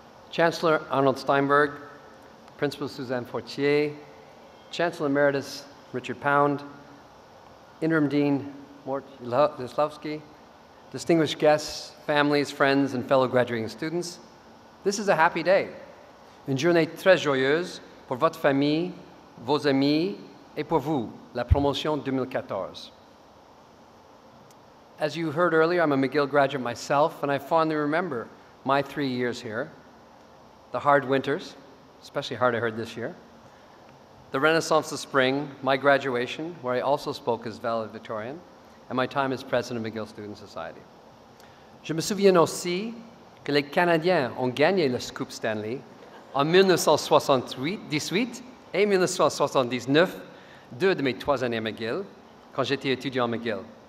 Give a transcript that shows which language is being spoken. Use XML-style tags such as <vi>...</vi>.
<en>Chancellor Arnold Steinberg, Principal Suzanne Fortier, Chancellor Emeritus Richard Pound, Interim Dean Mort Zislavsky, distinguished guests, families, friends, and fellow graduating students, this is a happy day.</en> <fr>Une journée très joyeuse pour votre famille, vos amis, et pour vous, la promotion 2014.</fr> <en>As you heard earlier, I'm a McGill graduate myself, and I fondly remember my 3 years here, the hard winters, especially hard I heard this year, the renaissance of spring, my graduation, where I also spoke as valedictorian, and my time as president of McGill Student Society.</en> <fr>Je me souviens aussi que les Canadiens ont gagné le Coupe Stanley en 1978 et 1979, deux de mes trois années à McGill, quand j'étais étudiant à McGill.</fr>